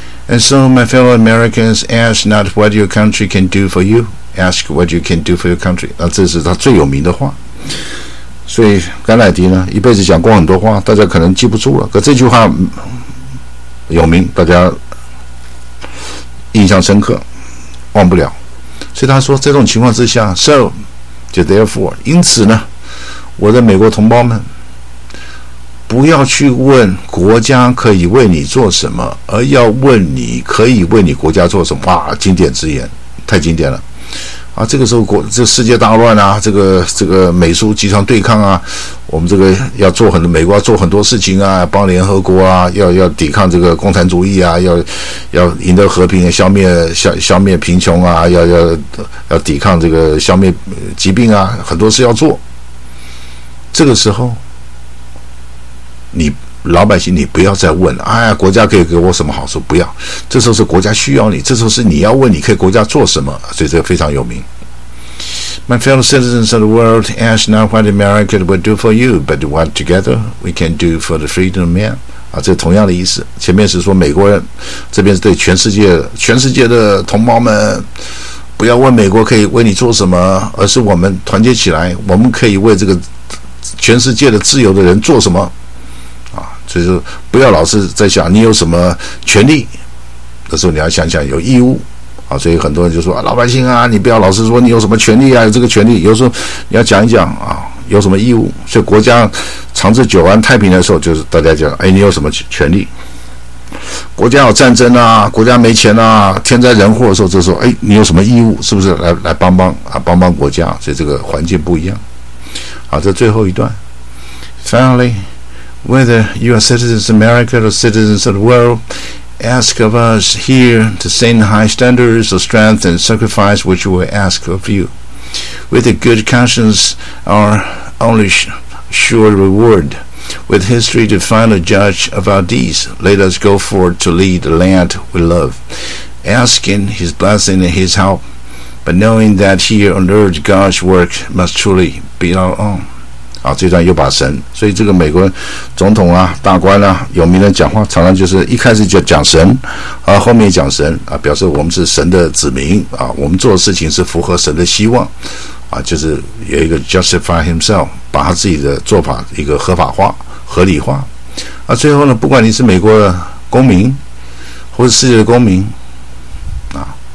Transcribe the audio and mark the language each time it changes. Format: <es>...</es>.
<en>And so, my fellow Americans, ask not what your country can do for you, ask what you can do for your country。</en> <zh>那这是他最有名的话。所以甘乃迪呢，一辈子讲过很多话，大家可能记不住了，可这句话有名，大家印象深刻，忘不了。所以他说，在这种情况之下 ，so 就 therefore， 因此呢，我的美国同胞们，不要去问国家可以为你做什么，而要问你可以为你国家做什么。哇，经典之言，太经典了啊！这个时候这世界大乱啊，这个美苏集团对抗啊，我们这个要做很多，美国要做很多事情啊，帮联合国啊，要抵抗这个共产主义啊，要赢得和平，消灭贫穷啊，要抵抗这个消灭疾病啊，很多事要做。这个时候，你老百姓，你不要再问了。哎呀，国家可以给我什么好处？不要。这时候是国家需要你，这时候是你要问，你可以国家做什么？所以这个非常有名。</zh> <en>My fellow citizens of the world, ask not what America will do for you, but what together we can do for the freedom of man.</en> <zh>啊，这同样的意思。前面是说美国人，这边是对全世界的同胞们，不要问美国可以为你做什么，而是我们团结起来，我们可以为这个全世界的自由的人做什么。所以说不要老是在想你有什么权利，而是你要想想有义务啊，所以很多人就说、啊、老百姓啊，你不要老是说你有什么权利啊，有这个权利，有时候你要讲一讲啊，有什么义务。所以国家长治久安太平的时候，就是大家讲，哎，你有什么权利？国家有战争啊，国家没钱啊，天灾人祸的时候，这时候，哎，你有什么义务？是不是来帮帮啊，帮帮国家？所以这个环境不一样。好，这最后一段。</zh> <en>Finally, whether you are citizens of America or citizens of the world, ask of us here the same high standards of strength and sacrifice which we ask of you. With a good conscience, our only sure reward. With history to find a judge of our deeds, let us go forth to lead the land we love, asking his blessing and his help, but knowing that here on earth God's work must truly be our own.</en> <zh>啊，这段又把神，所以这个美国总统啊、大官啊、有名人讲话，常常就是一开始就讲神，啊，后面讲神啊，表示我们是神的子民啊，我们做的事情是符合神的希望，啊，就是有一个</zh> <en>justify himself，</en> <zh>把他自己的做法一个合法化、合理化，啊，最后呢，不管你是美国的公民或是世界的公民，啊。</zh>